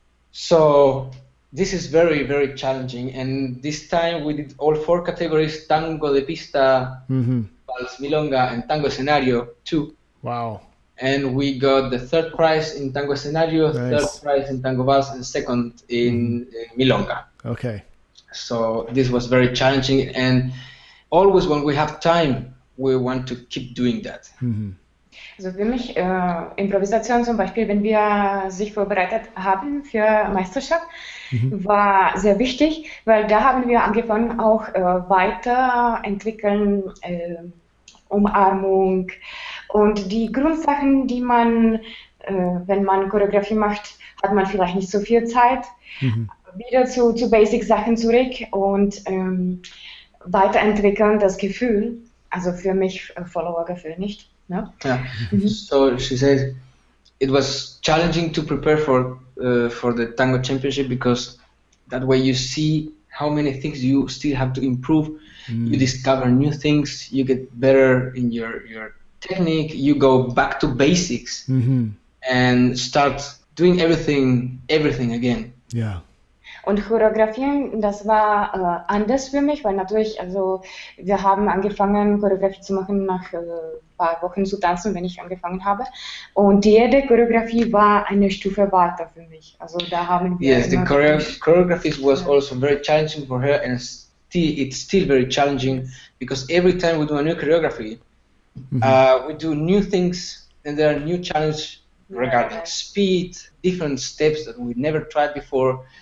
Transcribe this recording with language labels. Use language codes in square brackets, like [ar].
[en] So this is very, very challenging, and this time we did all four categories: tango de pista, vals milonga, and tango escenario too. Wow. And we got the third prize in tango escenario, third prize in tango vals, and second in milonga. Okay. So this was very challenging, and always when we have time, we want to keep doing that. [de] Also für mich, Improvisation zum Beispiel, wenn wir sich vorbereitet haben für Meisterschaft, war sehr wichtig, weil da haben wir angefangen auch weiterentwickeln, Umarmung und die Grundsachen, die man, wenn man Choreografie macht, hat man vielleicht nicht so viel Zeit, wieder zu Basic-Sachen zurück und weiterentwickeln das Gefühl, also für mich Follower-Gefühl nicht. [en] No? Yeah. So she said it was challenging to prepare for the tango championship because that way you see how many things you still have to improve. You discover new things, you get better in your technique, you go back to basics and start doing everything again. Yeah. [de] Und Choreografien, das war anders für mich, weil natürlich, also wir haben angefangen, Choreografie zu machen, nach ein paar Wochen zu tanzen, wenn ich angefangen habe. Und jede Choreografie war eine Stufe weiter für mich. Also da haben wir. [en] Yes, the choreography was also very challenging for her, and it's still very challenging because every time we do a new choreography, we do new things, and there are new challenges regarding speed, different steps that we never tried before.